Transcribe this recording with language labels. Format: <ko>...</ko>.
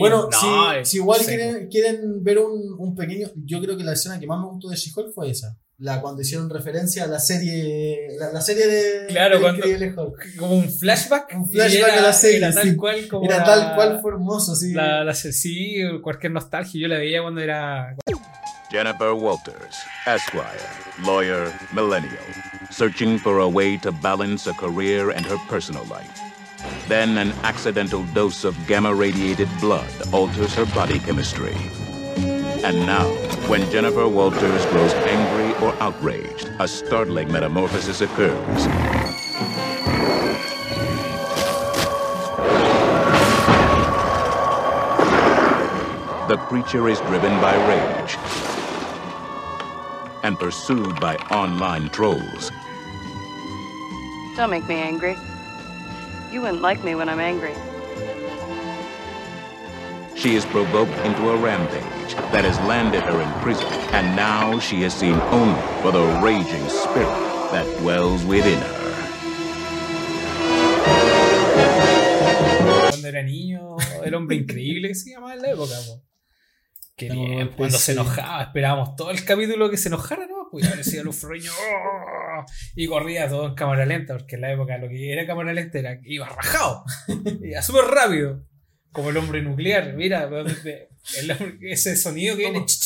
<es>Bueno, no, si igual quieren ver un pequeño. Yo creo que la escena que más me gustó de She-Hulk fue esa. La cuando hicieron referencia a la serie. La serie de, claro, de cuando, Incredible Hulk. Como un flashback. Un flashback de la serie. Era tal, sí, cual como. Era tal cual fue hermoso, sí. Sí, cualquier nostalgia. Yo la veía cuando era.</es> <en>Jennifer Walters, Esquire, lawyer, millennial, searching for a way to balance a career and her personal life. Then an accidental dose of gamma-radiated blood alters her body chemistry. And now, when Jennifer Walters grows angry or outraged, a startling metamorphosis occurs. The creature is driven by rage and pursued by online trolls. Don't make me angry. You wouldn't like me when I'm angry. She is provoked into a rampage that has landed her in prison, and now she is seen only for the raging spirit that dwells within her.</en> <es>cuando era niño, el hombre increíble que se llamaba en la época, po. Qué bien, no, pues, cuando sí. Se enojaba, esperábamos todo el capítulo que se enojara, ¿no? Pues aparecía Lou Ferrigno, ¡oh! Y corría todo en cámara lenta, porque en la época lo que era cámara lenta era que iba rajado, iba súper rápido, como el hombre nuclear, mira, ese sonido que viene.</es>